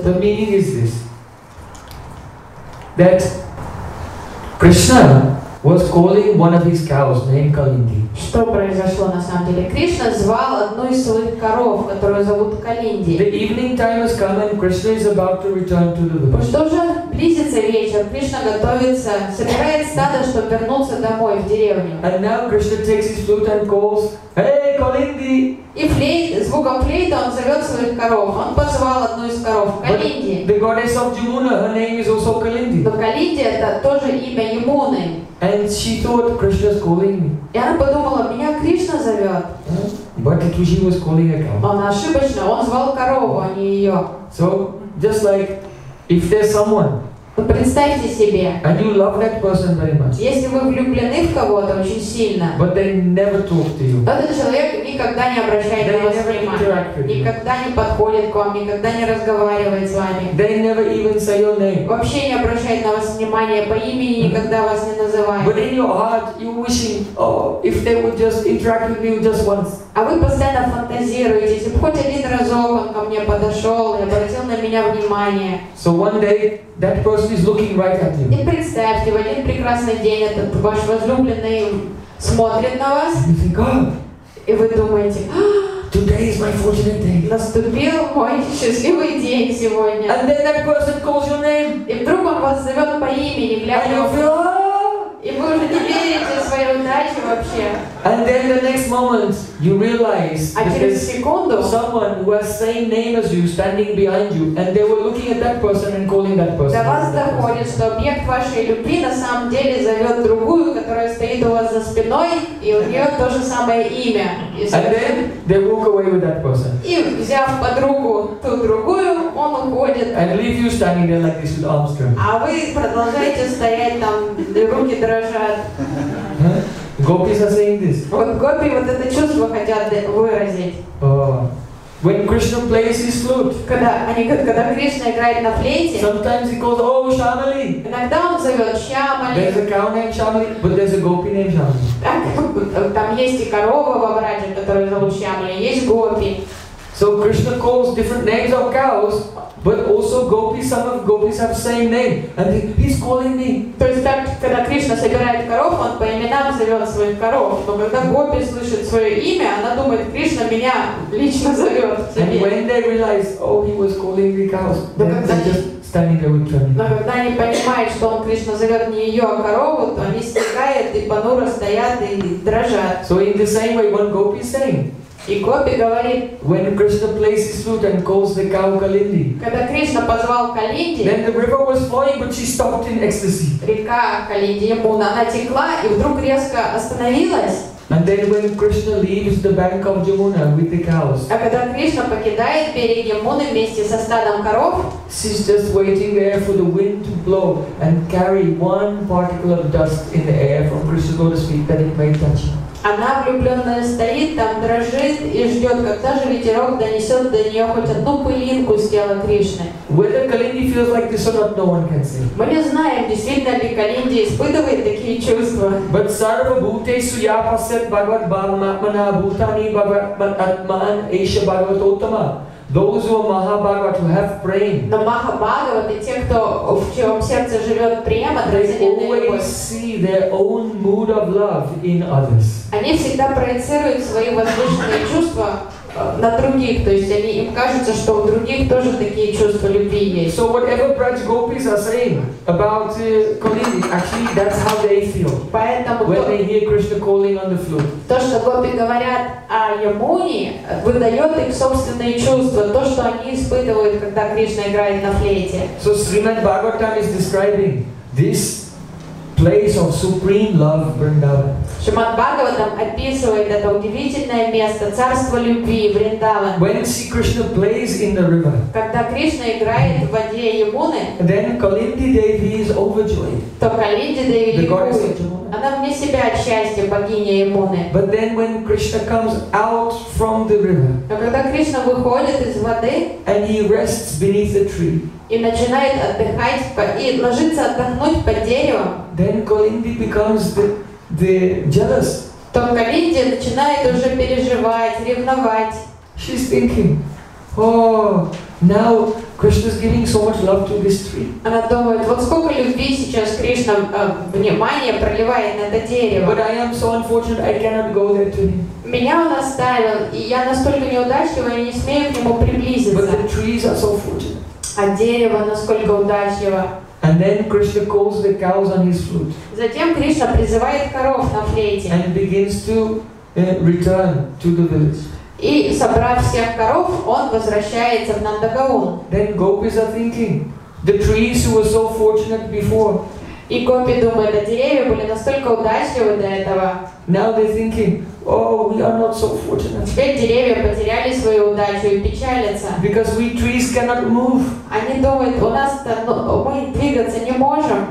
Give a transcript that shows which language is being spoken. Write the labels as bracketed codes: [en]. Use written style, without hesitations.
[en] The meaning is this. That Krishna was calling one of his cows named Kalindi. [ru] Что произошло на самом деле? Кришна звал одну из своих коров, которую зовут Калинди. [en] The evening time has come and Krishna is about to return to the village. [ru] Потому что уже близится вечер, Кришна готовится, собирает стадо, чтобы вернуться домой в деревню. [en] And now Krishna takes his flute and calls, Hey, Kalindi! [ru] И звуком флейта он зовет своих коров. Он позвал одну из коров, Калинди. [en] The goddess of Jamuna, her name is also Kalindi. [ru] Но Калинди это тоже имя Ямуны. [en] And she thought Krishna is calling me. [ru] И она подумала, меня Кришна зовет. [en] But it was he was calling a cow. [ru] Она ошибочно, он звал корову, а не ее. [en] So, just like, if there's someone. [ru] Вы представьте себе. [en] And you love that person very much. [ru] Если вы влюблены в кого-то очень сильно. [en] But they never talk to you. [ru] Этот человек никогда не обращает [en] they [ru] на вас внимания. Никогда не подходит к вам, никогда не разговаривает с вами. [en] They never even say your name. [ru] Вообще не обращает на вас внимания по имени, никогда вас не называет. [en] But in your heart, you wishing, oh, if they would just interact with you just once. [ru] А вы постоянно фантазируете, если бы хоть один разок он ко мне подошел и обратил на меня внимание. [en] So one day that person is looking right at you. [ru] И представьте, в один прекрасный день этот ваш возлюбленный смотрит на вас. [en] You think, oh, [ru] и вы думаете, [en] today is my fortunate day. [ru] Наступил мой счастливый день сегодня. [en] And then that person calls your name. [ru] И вдруг он вас зовет по имени, глядя. И вы уже не верите в свою удачу. вещи вообще. [en] And then the next moment you realize that someone who has same name as you standing behind you, and they were looking at that person and calling that person. [ru] До вас доходит, что объект вашей любви на самом деле зовет другую, которая стоит у вас за спиной, и у нее то же самое имя. [en] And then they walk away with that person. [ru] И взяв под руку ту другую, он уходит. [en] And leave you standing there like this with arms crossed. [ru] А вы продолжаете стоять там, руки дрожат. [en] Gopis are saying this. [ru] Вот гопи вот это чувство хотят выразить. [en] When Krishna plays his flute. [ru] Когда Кришна играет на флейте. [en] Sometimes he calls, oh, Shyamali. [ru] Иногда он зовет Shyamali. [en] There's a cow named Shyamali, but there's a gopi named Shyamali. [ru] Там есть и корова во Враже, которая зовут Shyamali, есть гопи. [en] So Krishna calls different names of cows. But also gopis, some of gopis have same name, and he's calling me. [ru] То есть так, когда Кришна собирает коров, он по именам зовет своих коров. Но когда гопи слышит свое имя, она думает, Кришна меня лично зовет. [en] And when they realize, oh, he was calling the cows, they just standing there with Kṛṣṇa. [ru] Но когда они понимают, что он Кришна зовет не ее, а корову, то они стихают и понуро стоят и дрожат. [en] So in the same way, one gopi is saying. [ru] И гопи говорит, [en] when Krishna plays his flute and calls the cow Kalindi, [ru] когда Кришна позвал Калинди, [en] then the river was flowing, but she stopped in ecstasy. [ru] Река Калинди, она текла и вдруг резко остановилась. [en] And then when Krishna leaves the bank of Yamuna with the cows, [ru] а когда Кришна покидает берег Ямуны вместе со стадом коров, [en] she's just waiting there for the wind to blow and carry one particle of dust in the air from Krishna's lotus feet that it may touch. [ru] Она влюбленная стоит, там дрожит и ждет, когда же ветерок донесет до нее хоть одну пылинку с тела Кришны. [en] Whether Kalindi feels like this or not, no one can say. [ru] Мы не знаем, действительно ли Kalindi испытывает такие чувства. [sa] But sarva bhute suyapasat bhagavat bhavmatmana bhutani bhagavat atman esha bhagavat ottama. [en] Those who are Mahabhagavat, who have prema. [ru] Но Mahabhagavat и те, кто в чьем сердце живет према, трансцендентная любовь. [en] They always see their own mood of love in others. [ru] Они всегда проецируют свои возвышенные чувства на других, то есть они, им кажется, что у других тоже такие чувства любви есть. [en] So whatever Braj Gopis are saying about Kalindi, actually that's how they feel. [ru] Поэтому [en] when they hear Krishna calling on the flute. [ru] То, что гопи говорят о Ямуне, выдает их собственные чувства, то, что они испытывают, когда Кришна играет на флейте. [en] So Srimad Bhagavatam is describing this place of supreme love, Vrindavan. [ru] Шримад Бхагаватам описывает это удивительное место, царство любви, Вриндаван. [en] When Sri Krishna plays in the river, [ru] когда Кришна играет в воде Ямуны, [en] then Kalindi Devi is overjoyed. [ru] То Kalindi Devi, [en] the goddess of [ru] Ямуны, она вне себя от счастья, богиня Ямуны. [en] But then when Krishna comes out from the river, [ru] но когда Кришна выходит из воды, [en] and he rests beneath the tree, [ru] и начинает отдыхать, и ложится отдохнуть под деревом, [en] then Kalindi becomes the jealous. [ru] То Калинди начинает уже переживать, ревновать. [en] She's thinking, oh, now Krishna's giving so much love to this tree. [ru] Она думает, вот сколько любви сейчас Кришна внимание проливает на это дерево. [en] But I am so unfortunate, I cannot go there to him. [ru] Меня он оставил, и я настолько неудачлива, я не смею к нему приблизиться. [en] But the trees are so fortunate. [ru] А дерево насколько удачливо. [en] And then Krishna calls the cows on his flute. [ru] Затем Кришна призывает коров на флейте. [en] And begins to return to the village. [ru] И собрав всех коров, он возвращается в Нандагаун. [en] Then gopis are thinking, the trees who were so fortunate before. [ru] И гопи думают, а деревья были настолько удачливы до этого. [en] Now they're thinking, oh, we are not so fortunate. [ru] Теперь деревья потеряли свою удачу и печалятся. [en] Because we trees cannot move. [ru] Они думают, у нас мы двигаться не можем.